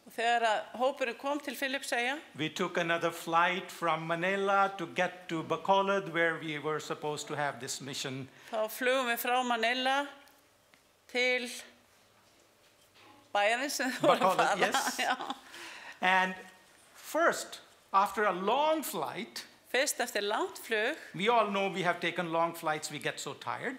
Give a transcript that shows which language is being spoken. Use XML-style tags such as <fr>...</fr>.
<is>þegar hópurinn kom til Filippseyja,</is> <en>we took another flight from Manila to get to Bacolod where we were supposed to have this mission.</en> <is>Þá flugum við frá Manila til bæjarins sem</is> <en>Bacolod,</en> <is>vorum fara.</is> <en>Yes. And first After a long flight,</en> <is>Fyrst eftir langt flug,</is> <en>we all know we have taken long flights, we get so tired.</en>